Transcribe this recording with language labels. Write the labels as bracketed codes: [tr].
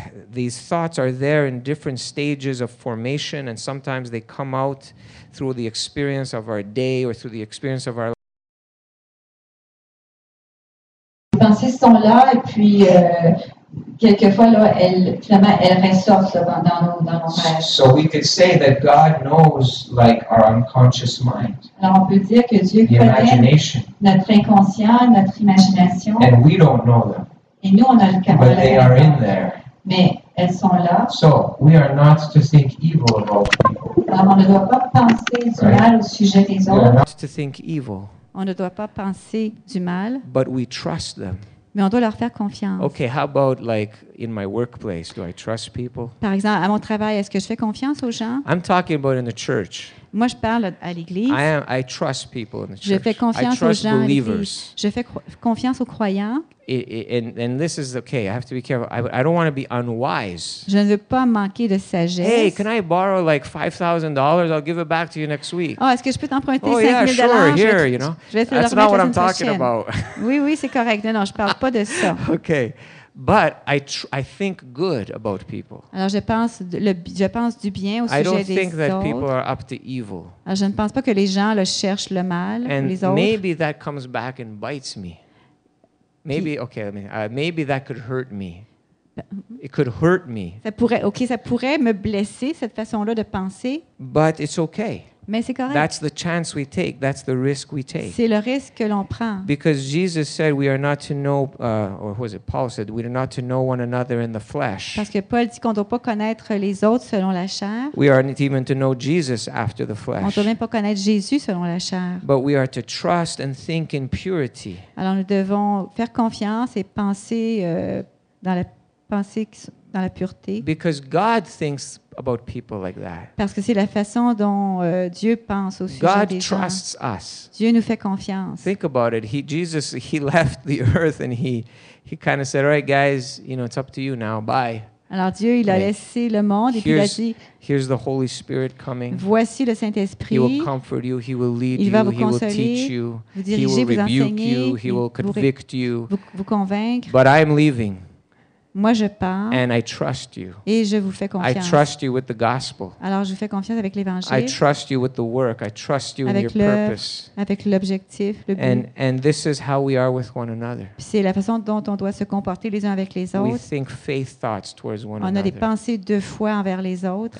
[en] These thoughts are there in different stages of formation and sometimes they come out through the experience of our day or through the experience of our life. [fr] Les pensées sont là et puis quelquefois là elles ressortent dans nos rêves. [en] So we could say that God knows like our unconscious mind. [fr] Alors on peut dire que Dieu connaît notre inconscient, notre imagination. [en] And we don't know them. [fr] Et nous on a le capable. [en] But they are in there. [fr] Mais elles sont là. [en] So we are not to think evil about people. [fr] Alors on ne doit pas penser du mal au sujet des autres. [en] We are not to think evil. [fr] On ne doit pas penser du mal. [en] But we trust them. [fr] Mais on doit leur faire confiance. [en] Okay, how about like in my workplace, do I trust people? [fr] Par exemple, à mon travail, est-ce que je fais confiance aux gens? [en] I'm talking about in the church. [fr] Moi, je parle à l'église. [en] I trust people in the church. [fr] Je fais confiance aux gens. [en] Believers. [fr] Je fais confiance aux croyants. [en] And this is okay. I have to be careful. I don't want to be unwise. [fr] Je ne veux pas manquer de sagesse. [en] Hey, can I borrow like $5,000? I'll give it back to you next week. [fr] Oh, est-ce que je peux t'emprunter [en] $5,000? Oh yeah, sure. Here, you know. That's not what I'm talking about. [fr] Oui, c'est correct. Non, je parle pas de ça. [en] Okay. But I think good about people. [fr] Alors je pense du bien au sujet des autres. [en] I don't think that people are up to evil. [fr] Alors je ne pense pas que les gens le cherchent le mal [en] and [fr] les autres. [en] Maybe that comes back and bites me. Maybe that could hurt me. It could hurt me. [fr] Ça pourrait me blesser cette façon-là de penser. [en] But it's okay. [fr] Mais c'est correct. [en] That's the chance we take. That's the risk we take. [fr] C'est le risque que l'on prend. [en] Because Jesus said we are not to know, or what was it? Paul said we are not to know one another in the flesh. [fr] Parce que Paul dit qu'on ne doit pas connaître les autres selon la chair. [en] We are not even to know Jesus after the flesh. [fr] On ne doit même pas connaître Jésus selon la chair. [en] But we are to trust and think in purity. [fr] Alors nous devons faire confiance et penser dans la pureté. [en] Because God thinks about people like that. [fr] Parce que c'est la façon dont Dieu pense au sujet [en] God [fr] des gens. [en] God trusts us. [fr] Dieu nous fait confiance. [en] Think about it. Jesus left the earth and he kind of said, "All right guys, you know, it's up to you now. Bye." [fr] Alors Dieu, il a laissé le monde et puis il a dit, [en] "Here's the Holy Spirit coming." [fr] Voici le Saint-Esprit. [en] He will comfort you, he will lead [fr] il [en] you, [fr] va vous [en] he will teach you, [fr] vous diriger, [en] he will rebuke you, he will convict you. [fr] Vous convaincre. [en] But I am leaving. [fr] Moi, je pars. [en] And I trust you. [fr] Et je vous fais confiance. [en] I trust you with the gospel. [fr] Alors, je vous fais confiance avec l'évangile. [en] I trust you with the work. I trust you [fr] avec [en] in your purpose. [fr] Avec l'objectif, le but. [en] And this is how we are with one another. [fr] C'est la façon dont on doit se comporter les uns avec les autres. [en] We think faith thoughts towards one [fr] on [en] another. [fr] On a des pensées de foi envers les autres.